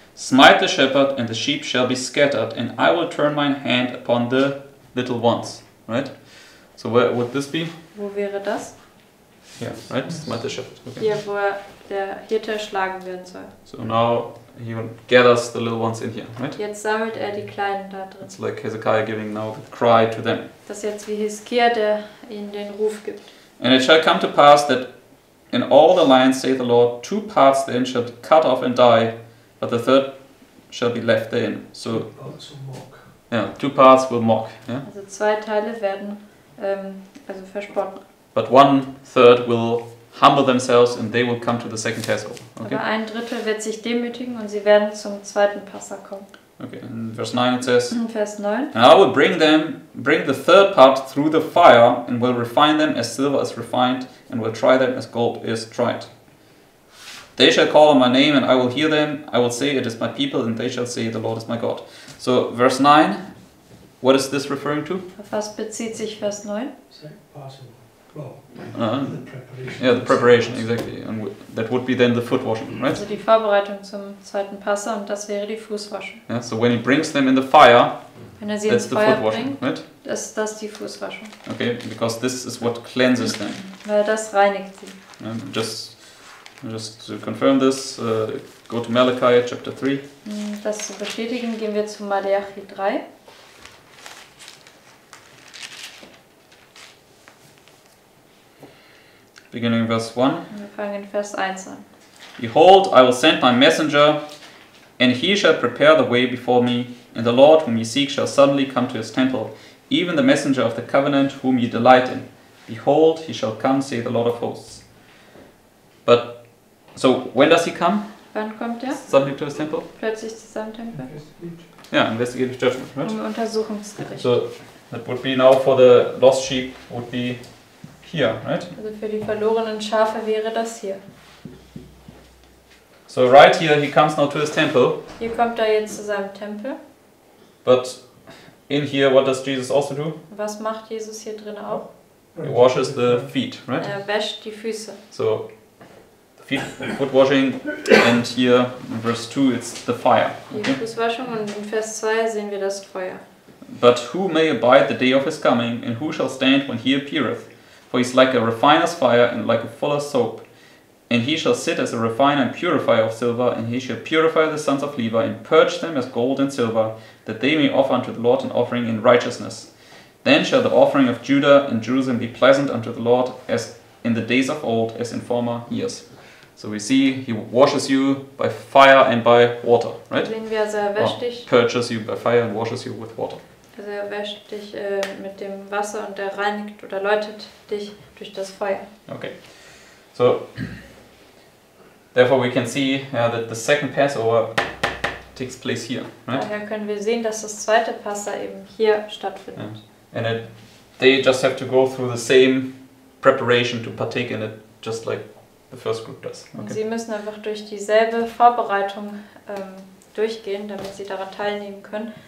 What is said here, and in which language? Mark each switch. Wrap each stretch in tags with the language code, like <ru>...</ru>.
<en>Smite the shepherd, and the sheep shall be scattered, and I will turn mine hand upon the little ones. Right? So where would this be?</en> <de>Wo wäre das?</de> <en>Yeah, right? Smite the shepherd. Okay.</en> <de>Hier, wo der Hirte erschlagen werden soll.</de> <en>So now he gathers the little ones in here, right?</en> <de>Jetzt sammelt die Kleinen da drin.</de> <en>It's like Hezekiah giving now the cry to them.</en> <de>Das ist jetzt wie Hiskia, der ihnen den Ruf gibt.</de> <en>And it shall come to pass that in all the lands, saith the Lord, two parts then shall cut off and die, but the third shall be left therein. So to mock. Yeah, two paths will mock. Yeah?</en> <de>Also zwei Teile werden also verspotten.</de> <en>But one third will humble themselves and they will come to the second castle. Okay?</en> <de>Aber ein Drittel wird sich demütigen und sie werden zum zweiten Passer kommen.</de> <en>Okay, in verse 9 it says,</en> <de>in Vers 9,</de> <en>and I will bring the third part through the fire and will refine them as silver is refined and will try them as gold is tried. They shall call on my name and I will hear them. I will say it is my people and they shall say the Lord is my God. So verse 9, what is this referring to?</en> <de>Auf was bezieht sich Vers 9?</de> <en>The preparation, exactly. And that would be then the foot washing, right?</en> <de>Also die Vorbereitung zum zweiten Passer und das wäre die Fußwaschung.</de> <en>Yeah, so when he brings them in the fire,</en> <de>wenn er sie</de> <en>that's</en> <de>ins</de> <en>the</en> <de>Feuer</de> <en>foot washing,</en> <de>bringt,</de> <en>right?</en> <de>Ist das die Fußwaschung.</de> <en>Okay, because this is what cleanses them.</en> <de>Weil das reinigt sie.</de> <en>Just to confirm this, go to Malachi chapter 3.</en> <de>Das zu bestätigen, gehen wir zu Malachi 3.</de> <en>Beginning verse 1.</en> <de>Wir fangen in Vers 1 an.</de> <en>Behold, I will send my messenger, and he shall prepare the way before me, and the Lord whom ye seek shall suddenly come to his temple, even the messenger of the covenant whom ye delight in. Behold, he shall come, say the Lord of hosts. But, so, when does he come?</en> <de>Wann kommt er?</de> <en>Suddenly to his temple?</en> <de>Plötzlich zu seinem Tempel.</de> <en>Yeah, investigative judgment, right?</en> <de>Um Untersuchungsgericht.</de> <en>So, that would be now for the lost sheep, would be here, right?</en> <de>Also für die verlorenen Schafe wäre das hier.</de> <en>So right here he comes now to his temple.</en> <de>Hier kommt er jetzt zu seinem Tempel.</de> <en>But in here what does Jesus also do?</en> <de>Was macht Jesus hier drin auch?</de> <en>He washes the feet, right?</en> <de>Er wäscht die Füße.</de> <en>So feet, foot washing and here in verse 2 it's the fire. Okay?</en> <de>Hier Fußwaschung und in Vers 2 sehen wir das Feuer.</de> <en>But who may abide the day of his coming and who shall stand when he appeareth? For he is like a refiner's fire and like a fuller's soap. And he shall sit as a refiner and purifier of silver, and he shall purify the sons of Levi, and purge them as gold and silver, that they may offer unto the Lord an offering in righteousness. Then shall the offering of Judah and Jerusalem be pleasant unto the Lord, as in the days of old, as in former years. So we see, he washes you by fire and by water, right? Purges you by fire and washes you with water.</en> <de>Also er wäscht dich mit dem Wasser und er reinigt oder läutet dich durch das Feuer.</de> <en>Okay, so therefore we can see that the second Passover takes place here. Right?</en> <de>Daher können wir sehen, dass das zweite Passa eben hier stattfindet.</de> <en>Yeah. And it, they just have to go through the same preparation to partake in it, just like the first group does. Okay.</en> <de>Und sie müssen einfach durch dieselbe Vorbereitung durchgehen, damit sie daran teilnehmen können.</de>